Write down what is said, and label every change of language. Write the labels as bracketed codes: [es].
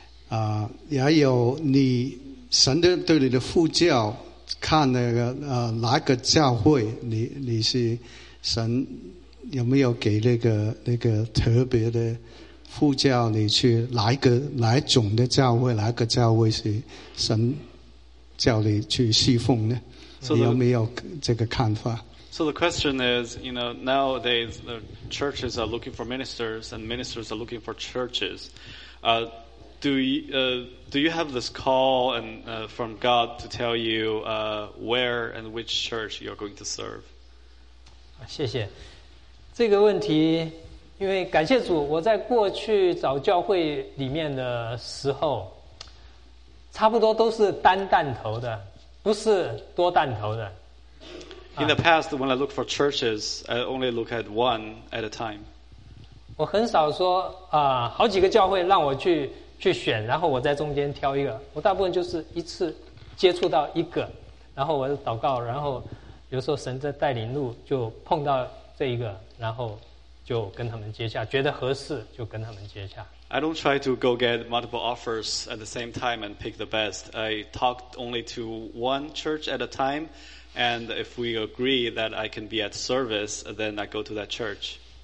[zh] 啊，也有你神的对你的呼召，看那个哪个教会你是神有没有给那个特别的呼召你去哪种的教会，哪个教会是神叫你去侍奉呢？你有没有这个看法？ [en] So the question is, you know, nowadays the churches are looking for ministers and ministers are looking for churches. Do you have this call and, from God to tell you, where and which church you're going to serve? [zh] 谢谢。这个问题，因为感谢主，我在过去找教会里面的时候，差不多都是单弹头的，不是多弹头的。 [en] In the past, when I look for churches, I only look at one at a time. [zh] 我很少说好几个教会让我去选，然后我在中间挑一个。我大部分就是一次接触到一个，然后我祷告，然后有时候神在带领路就碰到这一个，然后就跟他们接洽，觉得合适就跟他们接洽。 [en] I don't try to go get multiple offers at the same time and pick the best. I talk only to one church at a time. And if we agree that I can be at service, then I go to that church.